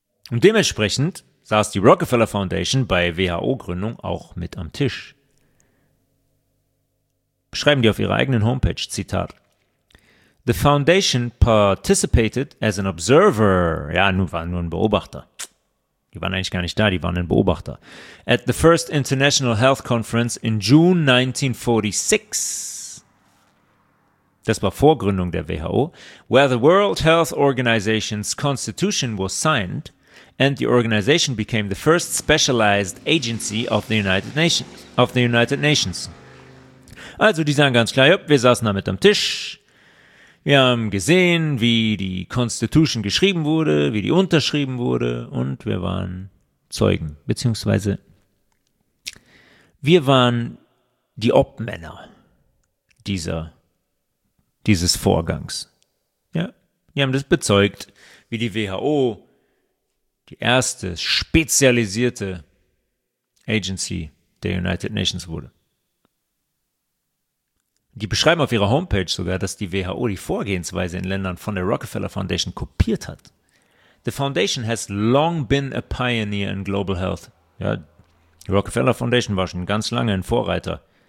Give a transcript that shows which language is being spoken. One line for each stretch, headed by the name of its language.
German: Und dementsprechend saß die Rockefeller Foundation bei WHO-Gründung auch mit am Tisch. Schreiben die auf ihrer eigenen Homepage, Zitat:
English: The Foundation participated as an observer.
German: Ja, nun war nur ein Beobachter. Die waren eigentlich gar nicht da, die waren ein Beobachter.
English: At the first International Health Conference in June 1946.
German: Das war vor Gründung der WHO,
English: where the World Health Organization's Constitution was signed and the organization became the first specialized agency of the United Nations.
German: Also die sagen ganz klar, ja, wir saßen da mit am Tisch. Wir haben gesehen, wie die Constitution geschrieben wurde, wie die unterschrieben wurde und wir waren Zeugen, beziehungsweise wir waren die Obmänner dieses Vorgangs. Ja, die haben das bezeugt, wie die WHO die erste spezialisierte Agency der United Nations wurde. Die beschreiben auf ihrer Homepage sogar, dass die WHO die Vorgehensweise in Ländern von der Rockefeller Foundation kopiert hat.
English: The Foundation has long been a pioneer in global health.
German: Ja, die Rockefeller Foundation war schon ganz lange ein Vorreiter.